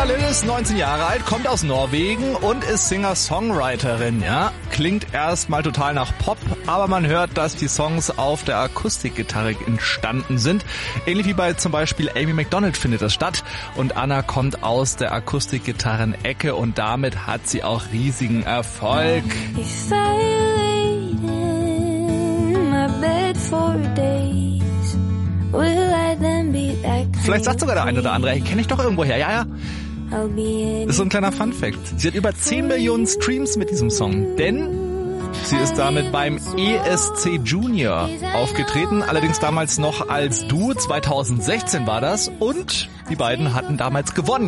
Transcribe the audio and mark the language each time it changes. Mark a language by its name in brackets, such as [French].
[German] Ist 19 Jahre alt, kommt aus Norwegen und ist Singer-Songwriterin, ja. Klingt erstmal total nach Pop, aber man hört, dass die Songs auf der Akustikgitarre entstanden sind. Ähnlich wie bei zum Beispiel Amy McDonald findet das statt. Und Anna kommt aus der Akustikgitarren-Ecke und damit hat sie auch riesigen Erfolg. [English] If I lay in my bed for days, will I then be that crazy? [German] Vielleicht sagt sogar der eine oder andere, hey, kenne ich doch irgendwo her, ja, ja. Das ist so ein kleiner Funfact. Sie hat über 10 Millionen Streams mit diesem Song, denn sie ist damit beim ESC Junior aufgetreten, allerdings damals noch als Duo, 2016 war das, und die beiden hatten damals gewonnen.